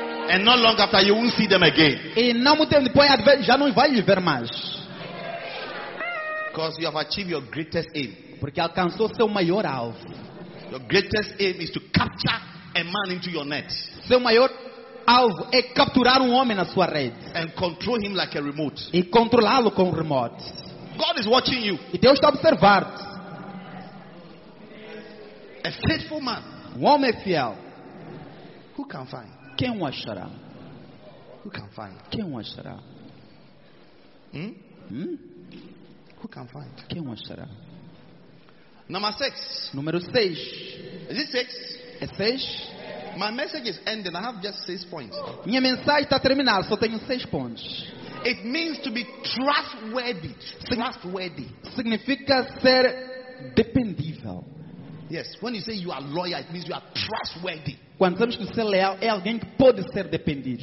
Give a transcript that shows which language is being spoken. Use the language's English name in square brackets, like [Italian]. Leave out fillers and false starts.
[English] And not long after, you won't see them again. [Portuguese] E não muito tempo depois, já não vai lhe ver mais. [English] Because you have achieved your greatest aim. [Portuguese] Porque alcançou seu maior alvo. [English] Your greatest aim is to capture a man into your net. [Portuguese] Seu maior alvo é capturar homem na sua rede. [English] And control him like a remote. [Portuguese] E controlá-lo com remote. [English] God is watching you. [Portuguese] E Deus está a observar-te. [English] A faithful man. [Portuguese] Homem fiel. [English] Who can find? [Portuguese] Quem o achará? [English] Who can find? [Portuguese] Quem o achará? [English] Who can find? [Portuguese] Quem o achará? [English] Number 6. [Portuguese] Número 6. [English] Is it 6? [Portuguese] É 6? [English] My message is ending. I have just 6 points. [Portuguese] Minha mensagem está terminada. Só tenho 6 pontos. [English] It means to be trustworthy. Trustworthy. [Portuguese] Significa ser dependível. [English] Yes, when you say you are loyal, it means you are trustworthy. [Portuguese] Quando dizemos que você é leal, é alguém que pode ser dependido.